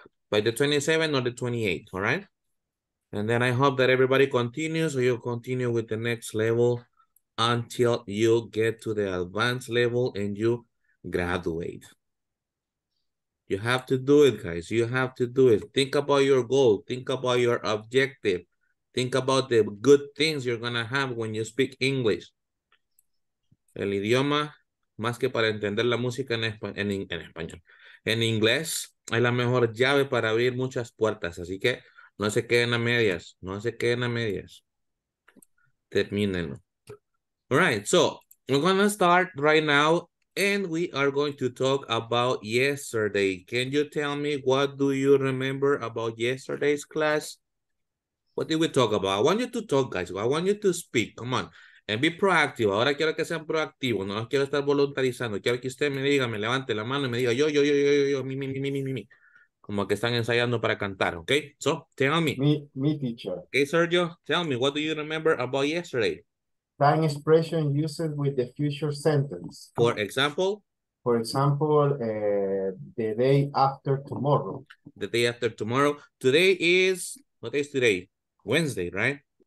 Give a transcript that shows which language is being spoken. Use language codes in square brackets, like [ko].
[en] By the 27th or the 28th, all right? And then I hope that everybody continues or you continue with the next level until you get to the advanced level and you graduate. You have to do it, guys. You have to do it. Think about your goal. Think about your objective. Think about the good things you're going to have when you speak English. [es] El idioma, más que para entender la música en español. En inglés, es la mejor llave para abrir muchas puertas. Así que no se queden a medias. No se queden a medias. Termínenlo. [en] All right. So, we're going to start right now. And we are going to talk about yesterday. Can you tell me what do you remember about yesterday's class? What did we talk about? I want you to talk, guys. I want you to speak. Come on. And be proactive. [es] Ahora quiero que sean proactivos. No los quiero estar voluntarizando. Quiero que usted me diga, me levante la mano y me diga, yo, mi. Como que están ensayando para cantar, okay? [en] So, tell me. Me teacher. Okay, Sergio, tell me, what do you remember about yesterday? Time expression used with the future sentence. For example, the day after tomorrow. The day after tomorrow. Today is, what day is today? Wednesday, right?